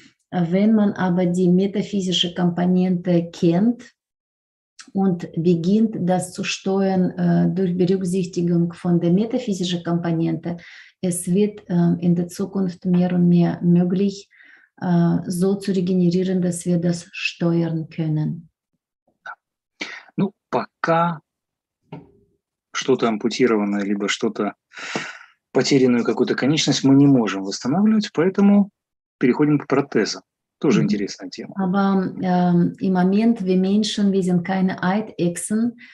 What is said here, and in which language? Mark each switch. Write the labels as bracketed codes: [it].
[de] Wenn man aber die metaphysische Komponente kennt und beginnt, das zu steuern durch Berücksichtigung von der metaphysischen Komponente, es wird in der Zukunft mehr und mehr möglich, so zu regenerieren, dass wir das steuern können. [ru] Ну, пока что-то ампутированное, либо что-то потерянную какую-то конечность мы не можем восстанавливать, поэтому переходим к протезам. Тоже интересная тема. [de] Aber im Moment, wir Menschen, wir sind keine Eidechsen.